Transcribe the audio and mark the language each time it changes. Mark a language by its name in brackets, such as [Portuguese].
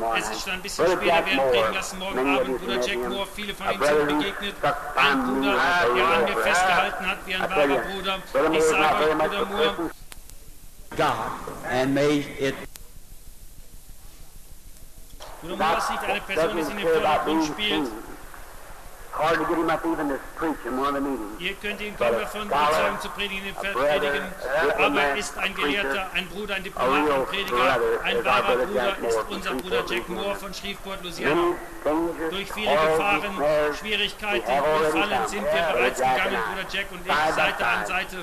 [German] Es ist schon ein bisschen später, wir werden predigen lassen morgen Abend. Bruder Jack Moore, viele von ihnen sind begegnet. Ein Bruder, der an mir festgehalten hat, wie ein wahrer Bruder. Ich sage euch, Bruder Moore, Bruder Moore ist nicht eine Person, die sich in den Vordergrund spielt. [English] Hard to get him up even to preach in one of the meetings. [German] Ihr könnt ihn kaum davon überzeugen zu predigen, ihn predigen, aber ist ein Gelehrter, ein Bruder, ein Diplomat, ein Prediger, ein wahrer Bruder ist unser Bruder Jack Moore von Shreveport, Louisiana. Durch viele Gefahren, Schwierigkeiten, Gefallen sind wir bereits gegangen, Bruder Jack und ich, Seite an Seite.